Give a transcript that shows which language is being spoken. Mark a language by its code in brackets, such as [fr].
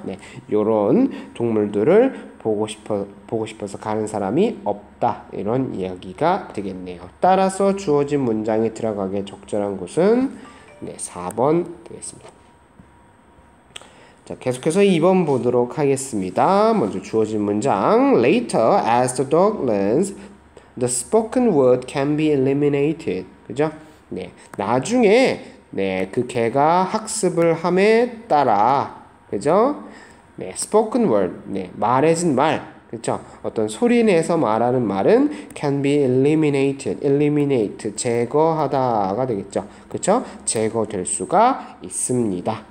[ko] 네, 이런 동물들을 보고 싶어서 가는 사람이 없다. 이런 이야기가 되겠네요. 따라서 주어진 문장이 들어가게 적절한 곳은 네, 4번 되겠습니다. 자, 계속해서 2번 보도록 하겠습니다. 먼저 주어진 문장. [en] Later, as the dog learns, the spoken word can be eliminated. [ko] 그죠? 네. 나중에, 네. 그 개가 학습을 함에 따라, 그죠? 네. [en] spoken word. [ko] 네. 말해진 말. 그죠? 어떤 소리 내서 말하는 말은 [en] can be eliminated. eliminate. [ko] 제거하다가 되겠죠? 그죠? 제거될 수가 있습니다.